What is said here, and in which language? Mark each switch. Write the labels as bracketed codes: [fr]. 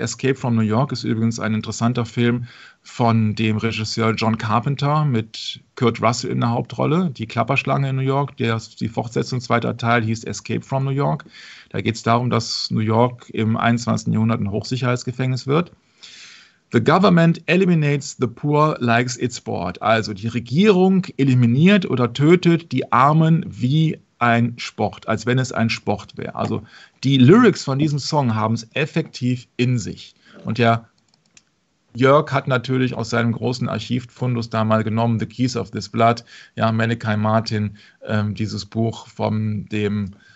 [de] Escape from New York ist übrigens ein interessanter Film von dem Regisseur John Carpenter mit Kurt Russell in der Hauptrolle, Die Klapperschlange in New York. Die Fortsetzung, zweiter Teil, hieß Escape from New York. Da geht es darum, dass New York im 21. Jahrhundert ein Hochsicherheitsgefängnis wird. [en] The government eliminates the poor like its sport. [de] Also die Regierung eliminiert oder tötet die Armen wie ein Sport, als wenn es ein Sport wäre. Also die Lyrics von diesem Song haben es effektiv in sich. Und der Jörg hat natürlich aus seinem großen Archivfundus da mal genommen, The Keys of This Blood, ja, Malachi Martin, dieses Buch von dem